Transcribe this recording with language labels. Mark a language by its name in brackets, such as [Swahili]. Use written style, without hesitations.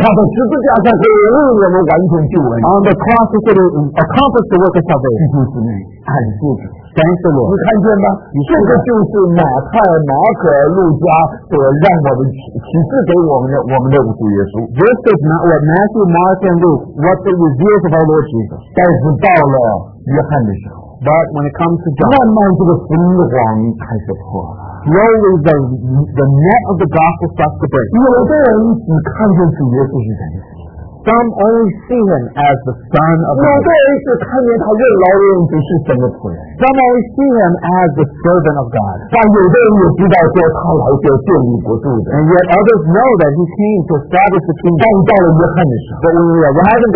[English] On the cross, he could accomplish the work of salvation. Thank the Lord. [Chinese] 你看见吗？这个就是马太、马可、路加所让我们启示给我们的主耶稣。 [English] This is not what Matthew, Mark, and Luke what the reveals of our Lord Jesus. [Chinese] 但是到了约翰的时候 [English] ，But when it comes to John, [Chinese] 慢慢这个福音的网开始破了。 [English] Slowly the net of the gospel starts to break. [Chinese] 有的人只看见主耶稣是神。 [English] Some only see him as the son of God. Some only see him as the servant of God. And yet others know that he came to establish the kingdom. But when we arrive in